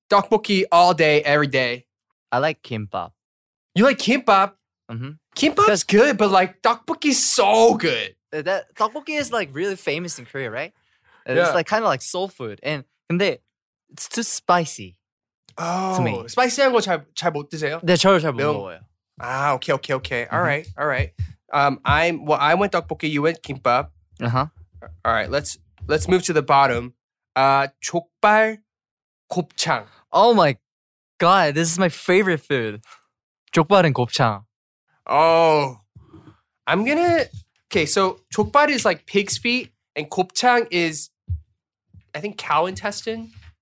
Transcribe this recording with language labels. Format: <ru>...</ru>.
<en>떡볶이 all day, every day. I like kimbap. You like kimbap? Mm-hmm. Kimbap's good, but like 떡볶이 is so good. That 떡볶이 is like really famous in Korea, right? Yeah. It's like kind of like soul food. And</en> <ko>근데</ko> <en>it's too spicy. Oh,</en> <ko>스파이시한 거 잘 못 드세요? 네, 저를 잘 못 먹어요. 아, 오케이, 오케이, 오케이.</ko> <en>All right, all right. I went 떡볶이, you went kimbap. Uh-huh. All right, let's move to the bottom. 족발 곱창. Oh my god, this is my favorite food. 족발 and 곱창. Oh, I'm gonna… Okay, so 족발 is like pig's feet and 곱창 is, I think, cow intestine.</en>